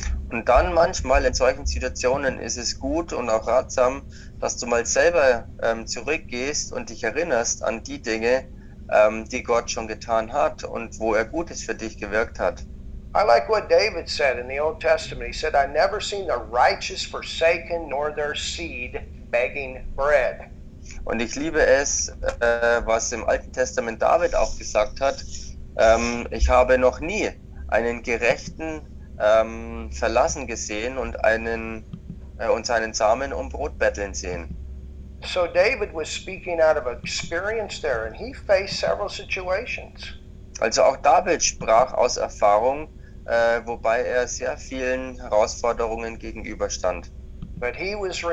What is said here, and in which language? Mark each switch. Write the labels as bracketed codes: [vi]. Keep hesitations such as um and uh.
[de] Und dann manchmal in solchen Situationen ist es gut und auch ratsam, dass du mal selber ähm, zurückgehst und dich erinnerst an die Dinge, ähm, die Gott schon getan hat und wo er Gutes für dich gewirkt hat. [en] I like what David said in the Old Testament. He said, I never seen the righteous forsaken nor their seed begging bread. [de] Und ich liebe es, äh, was im Alten Testament David auch gesagt hat. Ähm, ich habe noch nie einen Gerechten ähm, verlassen gesehen und, einen, äh, und seinen Samen um Brot betteln sehen. [en] So David was speaking out of experience there and he faced several situations. [de] Also auch David sprach aus Erfahrung Uh, wobei er sehr vielen Herausforderungen gegenüberstand. [en] He uh,